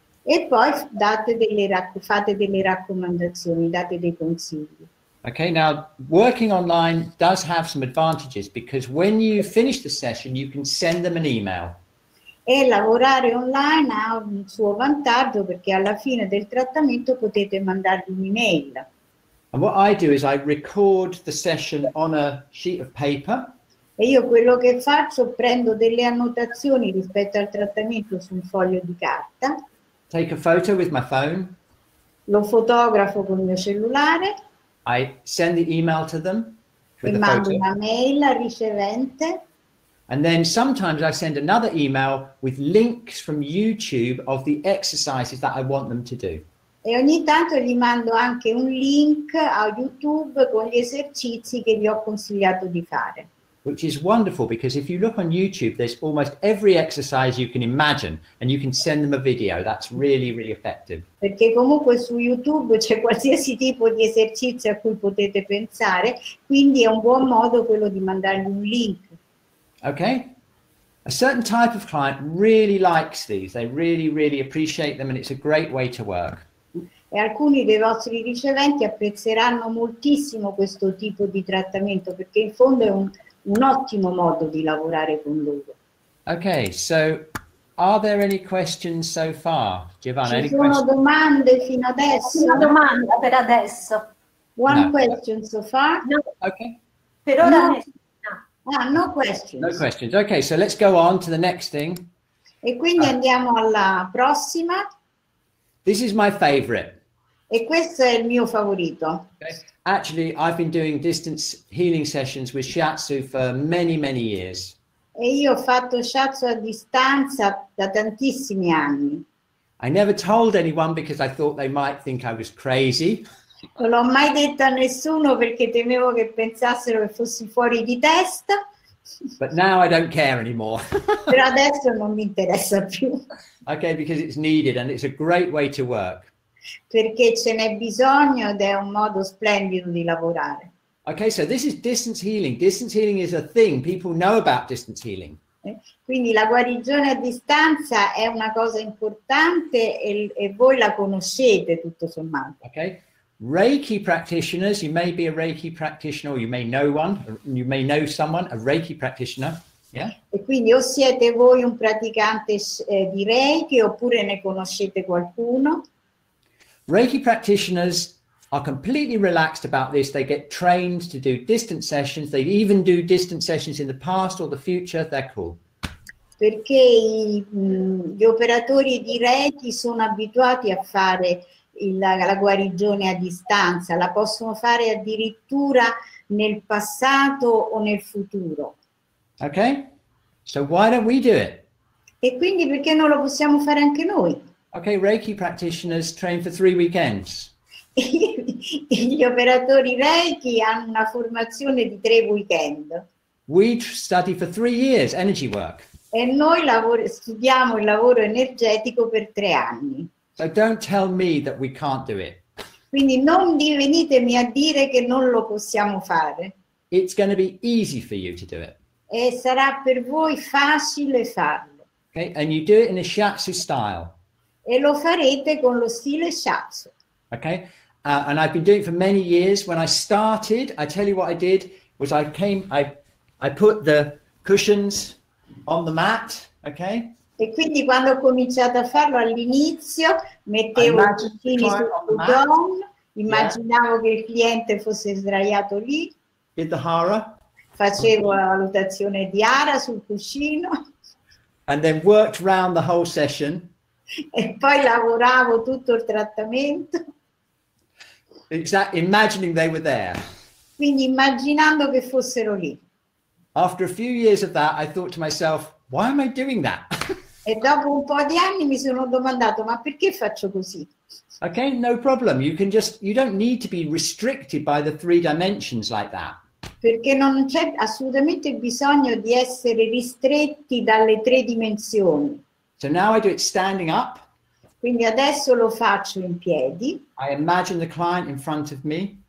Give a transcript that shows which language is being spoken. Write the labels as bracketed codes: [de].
[it] E poi fate delle raccomandazioni, date dei consigli. [en] Okay, now working online does have some advantages because when you finish the session, you can send them an email. [it] E lavorare online ha un suo vantaggio perché alla fine del trattamento potete mandargli un'email. [en] And what I do is I record the session on a sheet of paper. [it] E io quello che faccio, prendo delle annotazioni rispetto al trattamento su un foglio di carta. [en] Take a photo with my phone. [it] Lo fotografo con il mio cellulare. [en] I send the email to them. [it] E mando una mail al ricevente. [en] And then sometimes I send another email with links from YouTube of the exercises that I want them to do. [it] E ogni tanto gli mando anche un link a YouTube con gli esercizi che gli ho consigliato di fare. [en] Which is wonderful because if you look on YouTube, there's almost every exercise you can imagine and you can send them a video. That's really, really effective. [it] Perché comunque su YouTube c'è qualsiasi tipo di esercizio a cui potete pensare, quindi è un buon modo quello di mandargli un link. [en] Okay. A certain type of client really likes these. They really, really appreciate them and it's a great way to work. [it] E alcuni dei vostri riceventi apprezzeranno moltissimo questo tipo di trattamento perché in fondo è un ottimo modo di lavorare con loro. [en] Okay, so Are there any questions so far, Giovanna? [it] Ci [en] any [it] sono [en] questions? [it] Domande fino adesso? Una domanda per adesso. [en] One no. question so far? No. Okay. [it] Per ora [en] no. No, no questions. No questions. Okay, so let's go on to the next thing. [it] E quindi andiamo alla prossima. [en] This is my favorite. [it] E questo è il mio favorito. [en] Okay. Actually, I've been doing distance healing sessions with Shiatsu for many, many years. [it] E io ho fatto shiatsu a distanza da tantissimi anni. [en] I never told anyone because I thought they might think I was crazy. [it] Non l'ho mai detto a nessuno perché temevo che pensassero che fossi fuori di testa. [en] But now I don't care anymore. [it] Però adesso non mi interessa più. [en] Okay, because it's needed and it's a great way to work. [it] Perché ce n'è bisogno ed è un modo splendido di lavorare. [en] Okay, so this is distance healing. Distance healing is a thing. People know about distance healing. [it] Quindi la guarigione a distanza è una cosa importante e voi la conoscete tutto sommato. [en] Okay, Reiki practitioners, you may be a Reiki practitioner, or you may know one, you may know someone, a Reiki practitioner. Yeah. [it] E quindi o siete voi un praticante di Reiki oppure ne conoscete qualcuno. [en] Reiki practitioners are completely relaxed about this. They get trained to do distance sessions. They even do distance sessions in the past or the future. They're cool. [it] Perché gli operatori di Reiki sono abituati a fare la guarigione a distanza. La possono fare addirittura nel passato o nel futuro. [en] Okay. So why don't we do it? [it] E quindi perché non lo possiamo fare anche noi? [en] Okay, Reiki practitioners train for 3 weekends. [it] Gli operatori Reiki hanno una formazione di 3 weekend. [en] We study for 3 years energy work. [it] E noi studiamo il lavoro energetico per 3 anni. [en] So don't tell me that we can't do it. [it] Quindi non venitemi a dire che non lo possiamo fare. [en] It's going to be easy for you to do it. [it] E sarà per voi facile farlo. [en] Okay, and you do it in a Shiatsu style. [it] E lo farete con lo stile Shiatsu. [en] Okay, and I've been doing it for many years. When I started, I tell you what I did was I put the cushions on the mat. Okay. [it] E quindi quando ho cominciato a farlo all'inizio mettevo i cuscini sul futon, immaginavo yeah. che il cliente fosse sdraiato lì. [en] Did the hara. [it] Facevo la valutazione di hara sul cuscino. [en] And then worked round the whole session. [it] E poi lavoravo tutto il trattamento. [en] Exactly, imagining they were there. [it] Quindi immaginando che fossero lì. [en] After a few years of that, I thought to myself, why am I doing that? [it] E dopo un po' di anni mi sono domandato, ma perché faccio così? [en] Okay, no problem. You don't need to be restricted by the three dimensions like that. [it] Perché non c'è assolutamente bisogno di essere ristretti dalle tre dimensioni. [en] So now I do it standing up. [it] Quindi adesso lo faccio in piedi. [en] I imagine the client in front of me.